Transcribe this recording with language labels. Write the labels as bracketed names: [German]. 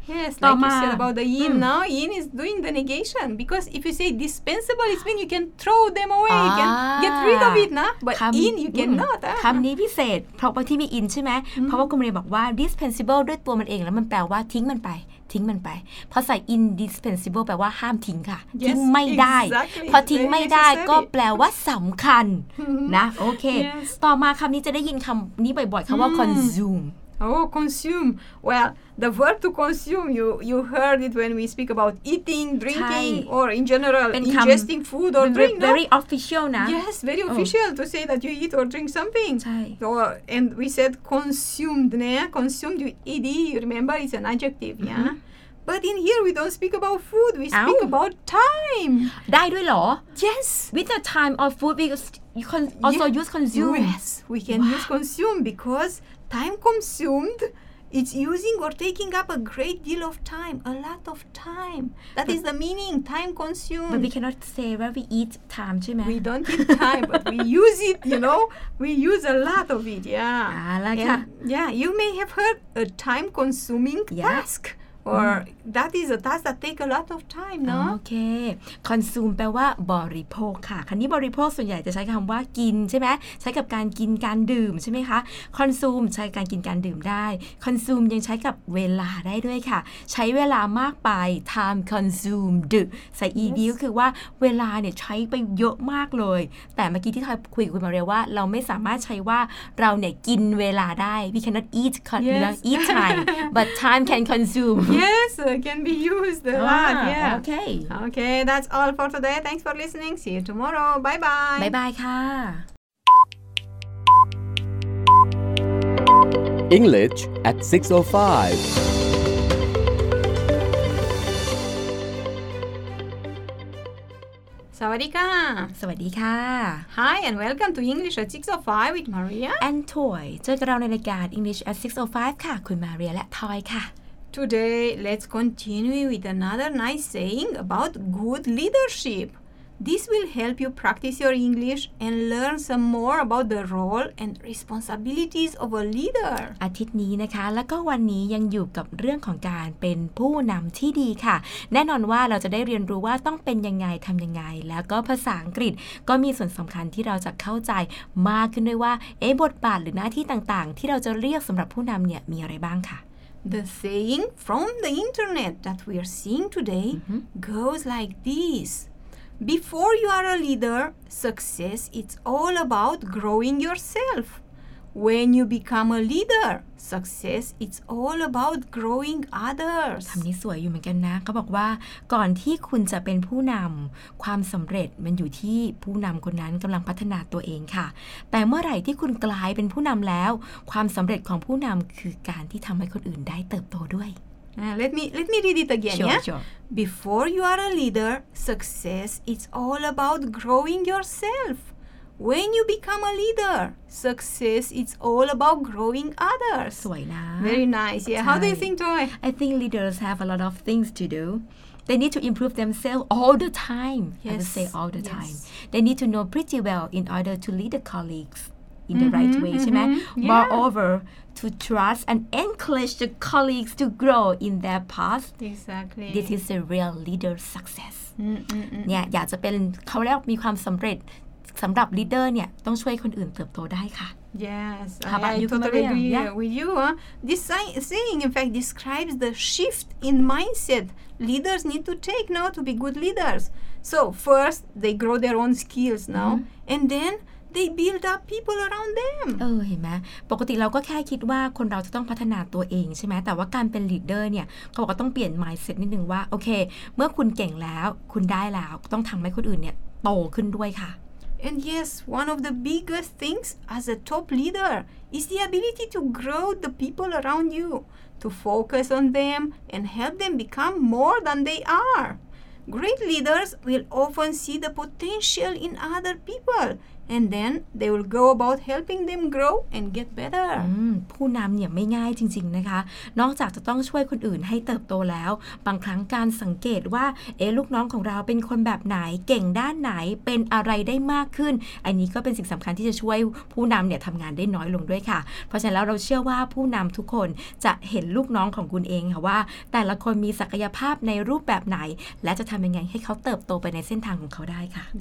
[English] yes [Thai] ต่อมา [English] about the in now in is doing the negation because if you say dispensable it means you can throw them away you can get rid of it นะ but in you cannot [Thai] คำนี้พิเศษเพราะว่าที่มี in ใช่ไหมเพราะว่าเรียนบอกว่า dispensable ด้วยตัวมันเองแล้วมันแปลว่าทิ้งมันไปทิ้งมันไปพอใส่ indispensable แปลว่าห้ามทิ้งค่ะ [English] yes, [Thai] ทิ้งไม่ได้ [English] exactly. [Thai] พอทิ้งไม่ได้ [English] exactly. [Thai] ก็แปลว่าสำคัญ นะโอเคต่อมาคำนี้จะได้ยินคำนี้บ่อยๆคำว่า consume [English] oh consume well the verb to consume you heard it when we speak about eating drinking or in general ingesting food or drink very no? official นะ yes very official to say that you eat or drink something so and we said consumed เนี่ย consumed you ed you remember it's an adjective yeah but in here we don't speak about food we speak about time [Thai] ได้ด้วยเหรอ [English] yes with the time of food we can also use consume yes we can use consume because time consumed it's using or taking up a great deal of time a lot of time that is the meaning time consumed but we cannot say where we eat time [Thai] ใช่ไหม [English] We don't eat time but we use it you know we use a lot of it yeah like yeah you may have heard a time consuming task or that is a task that take a lot of time no [Thai] okay consume แปลว่าบริโภคค่ะคันนี้บริโภคส่วนใหญ่จะใช้คำว่ากินใช่ไหมใช้กับการกินการดื่มใช่ไหมคะ consume ใช้การกินการดื่มได้ consume ยังใช้กับเวลาได้ด้วยค่ะใช้เวลามากไป time consumed ใส่ ed ก็คือว่าเวลาเนี่ยใช้ไปเยอะมากเลยแต่เมื่อกี้ที่ทอยคุยกับคุณมาเรียว่าเราไม่สามารถใช้ว่าเราเนี่ยกินเวลาได้ [English] we cannot eat eat time but time can consume Yes, can be used a lot. Yeah. Okay. Okay, that's all for today. Thanks for listening. See you tomorrow. Bye bye. Bye bye, ka. English at 6:05. [Thai] สวัสดีค่ะ สวัสดีค่ะ [English] Hi and welcome to English at 6:05 with Maria and Toy. [Thai] เจอกันเราในรายการ English at 6:05 ค่ะคุณมาเรียและทอยค่ะ [English] Today, let's continue with another nice saying about good leadership. This will help you practice your English and learn some more about the role and responsibilities of a leader. [Thai] อาทิตย์นี้นะคะแล้วก็วันนี้ยังอยู่กับเรื่องของการเป็นผู้นำที่ดีค่ะแน่นอนว่าเราจะได้เรียนรู้ว่าต้องเป็นยังไงทำยังไงแล้วก็ภาษาอังกฤษก็มีส่วนสำคัญที่เราจะเข้าใจมากขึ้นด้วยว่าบทบาทหรือหน้าที่ต่างๆที่เราจะเรียกสำหรับผู้นำเนี่ยมีอะไรบ้างค่ะ [English] The saying from the internet that we are seeing today goes like this. Before you are a leader, success is all about growing yourself. When you become a leader, success is all about growing others. [Thai] คำนี้สวยอยู่เหมือนกันนะเขาบอกว่าก่อนที่คุณจะเป็นผู้นำความสำเร็จมันอยู่ที่ผู้นำคนนั้นกำลังพัฒนาตัวเองค่ะแต่เมื่อไหร่ที่คุณกลายเป็นผู้นำแล้วความสำเร็จของผู้นำคือการที่ทำให้คนอื่นได้เติบโตด้วย [English] Let me read it again. Before you are a leader, success is all about growing yourself. When you become a leader, success is all about growing others. [Thai] สวยนะ [English] Very nice. Yeah. How do you think, Toy? I think leaders have a lot of things to do. They need to improve themselves all the time. Yes. I would say all the time. They need to know pretty well in order to lead the colleagues in the right way. Mm-hmm. Right? Yeah. Moreover, to trust and encourage the colleagues to grow in their path. Exactly. This is a real leader success. Mm-hmm. [Thai] Yeah. อยากจะเป็นเขาเรียกมีความสำเร็จสำหรับลีดเดอร์เนี่ยต้องช่วยคนอื่นเติบโตได้ค่ะ [English] Yes, I totally agree with you. This saying, in fact, describes the shift in mindset leaders need to take now to be good leaders. So first, they grow their own skills now, and then they build up people around them. [Thai] เห็นไหมปกติเราก็แค่คิดว่าคนเราจะต้องพัฒนาตัวเองใช่ไหมแต่ว่าการเป็นลีดเดอร์เนี่ยเขาบอกว่าต้องเปลี่ยน mindset นิดนึงว่าโอเคเมื่อคุณเก่งแล้วคุณได้แล้วต้องทำให้คนอื่นเนี่ยโตขึ้นด้วยค่ะ [English] And yes, one of the biggest things as a top leader is the ability to grow the people around you, to focus on them and help them become more than they are. Great leaders will often see the potential in other people and then they will go about helping them grow and get better [Thai] ผู้นำเนี่ยไม่ง่ายจริงๆนะคะนอกจากจะต้องช่วยคนอื่นให้เติบโตแล้วบางครั้งการสังเกตว่าเอ๊ะลูกน้องของเราเป็นคนแบบไหนเก่งด้านไหนเป็นอะไรได้มากขึ้นอันนี้ก็เป็นสิ่งสำคัญที่จะช่วยผู้นำเนี่ยทำงานได้น้อยลงด้วยค่ะเพราะฉะนั้นแล้วเราเชื่อว่าผู้นำทุกคนจะเห็นลูกน้องของคุณเองค่ะว่าแต่ละคนมีศักยภาพในรูปแบบไหนและจะทำยังไงให้เขาเติบโตไปในเส้นทางของเขาได้ค่ะ